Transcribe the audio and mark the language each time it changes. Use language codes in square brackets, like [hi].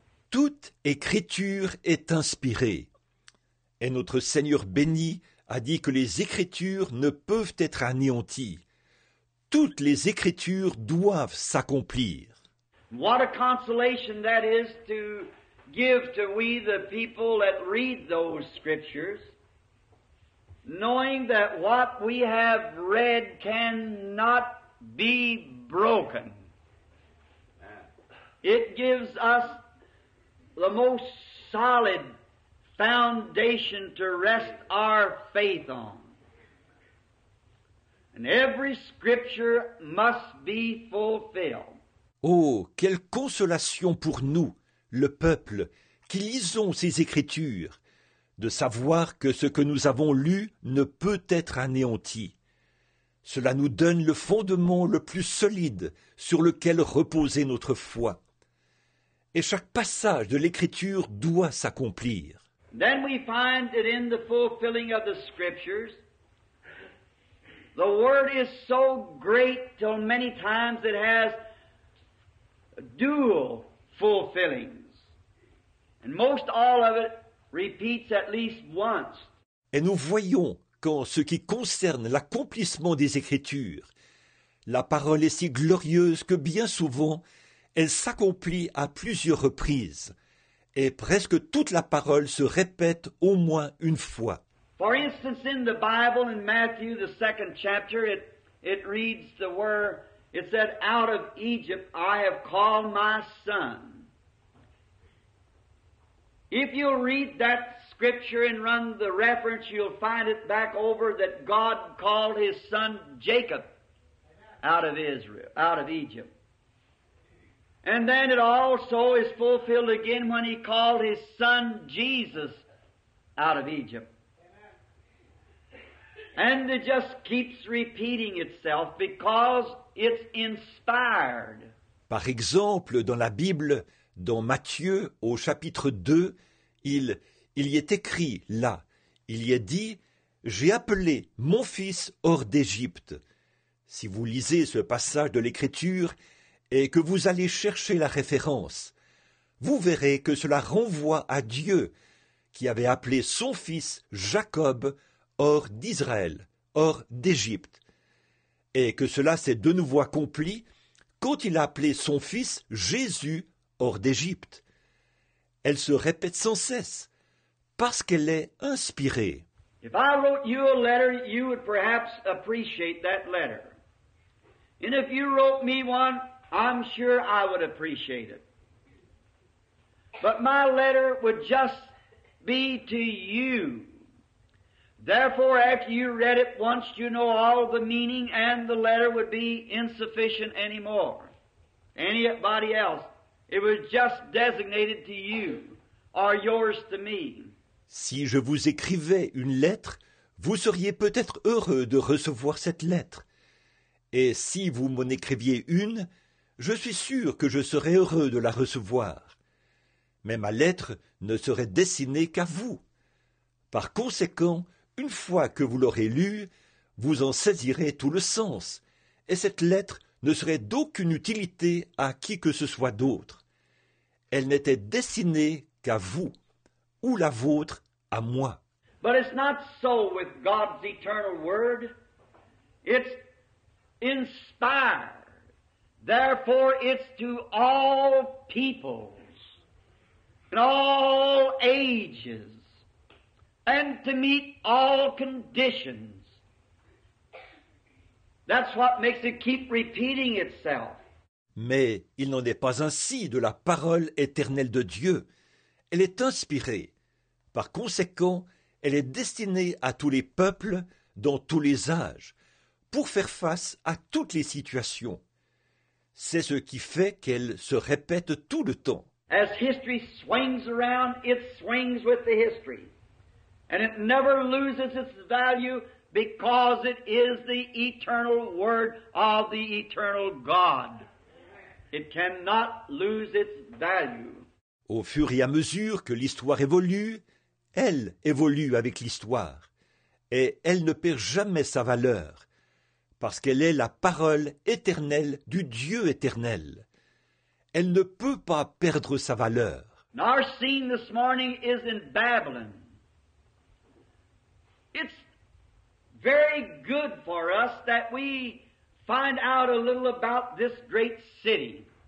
[fr] Toute écriture est inspirée. Et notre Seigneur béni a dit que les écritures ne peuvent être anéanties. Toutes les écritures doivent s'accomplir. [en] What a consolation that is to give to we the people that read those scriptures, knowing that what we have read cannot be broken. It gives us the most solid foundation to rest our faith on. And every scripture must be fulfilled. [fr] Oh, quelle consolation pour nous, le peuple, qui lisons ces Écritures, de savoir que ce que nous avons lu ne peut être anéanti. Cela nous donne le fondement le plus solide sur lequel reposer notre foi. Et chaque passage de l'Écriture doit s'accomplir. [en] Then we find that in the fulfilling of the Scriptures, the Word is so great till many times it has dual fulfillings. And most all of it repeats at least once. [fr] Et nous voyons qu'en ce qui concerne l'accomplissement des Écritures, la parole est si glorieuse que bien souvent, elle s'accomplit à plusieurs reprises. Et presque toute la parole se répète au moins une fois. [en] For instance, in the Bible, in Matthew, the second chapter, it reads the word, it said, out of Egypt I have called my son. If you'll read that scripture and run the reference, you'll find it back over that God called his son Jacob out of Israel, out of Egypt. And then it also is fulfilled again when he called his son Jesus out of Egypt. And it just keeps repeating itself because it's inspired. [fr] Par exemple, dans la Bible, dans Matthieu, au chapitre 2, il y est écrit là, il y est dit, « J'ai appelé mon fils hors d'Égypte. » Si vous lisez ce passage de l'Écriture et que vous allez chercher la référence, vous verrez que cela renvoie à Dieu qui avait appelé son fils Jacob hors d'Israël, hors d'Égypte, et que cela s'est de nouveau accompli quand il a appelé son fils Jésus hors d'Égypte. Elle se répète sans cesse, parce qu'elle est inspirée. [en] If I wrote you a letter, you would perhaps appreciate that letter. And if you wrote me one, I'm sure I would appreciate it. But my letter would just be to you. Therefore, after you read it once, you know all the meaning, and the letter would be insufficient anymore. Anybody else, it was just designated to you, or yours to me. [fr] Si je vous écrivais une lettre, vous seriez peut-être heureux de recevoir cette lettre. Et si vous m'en écriviez une, je suis sûr que je serais heureux de la recevoir. Mais ma lettre ne serait destinée qu'à vous. Par conséquent, une fois que vous l'aurez lue, vous en saisirez tout le sens, et cette lettre ne serait d'aucune utilité à qui que ce soit d'autre. Elle n'était destinée qu'à vous, ou la vôtre à moi. [en] But it's not so with God's eternal word. It's inspired. Therefore, it's to all peoples and all ages. And to meet all conditions. That's what makes it keep repeating itself. [fr] Mais il n'en est pas ainsi de la parole éternelle de Dieu. Elle est inspirée. Par conséquent, elle est destinée à tous les peuples, dans tous les âges, pour faire face à toutes les situations. C'est ce qui fait qu'elle se répète tout le temps. [en] As history swings around, it swings with the history. And it never loses its value because it is the eternal word of the eternal God. It cannot lose its value. [fr] Au fur et à mesure que l'histoire évolue, elle évolue avec l'histoire. Et elle ne perd jamais sa valeur, parce qu'elle est la parole éternelle du Dieu éternel. Elle ne peut pas perdre sa valeur. [en] And our scene this morning is in Babylon. It's very good for us that we find out a little about this great city.